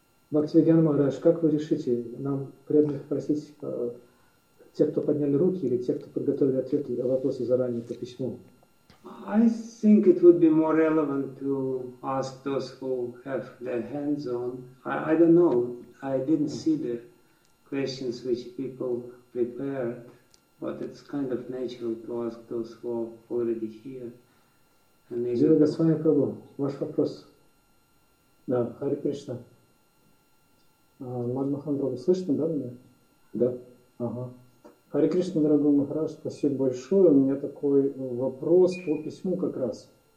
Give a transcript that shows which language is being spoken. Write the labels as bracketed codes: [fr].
[ru] Бхактивиганна Махарадж, как вы решите, нам преданных просить тех, кто подняли руки, или тех, кто подготовили ответы, вопросы заранее по письму? [en] I think it would be more relevant to ask those who have their hands on. I don't know. I didn't see the questions which people prepared, but it's kind of natural to ask those who are already here. [ru] Зира Госвами Прабху, ваш вопрос. Да, Хари Кришна. Мадхамахан Прабху, слышно, да, меня? Да. Ага. Хари Кришна, дорогой Махарадж, спасибо большое. У меня такой вопрос по письму как раз.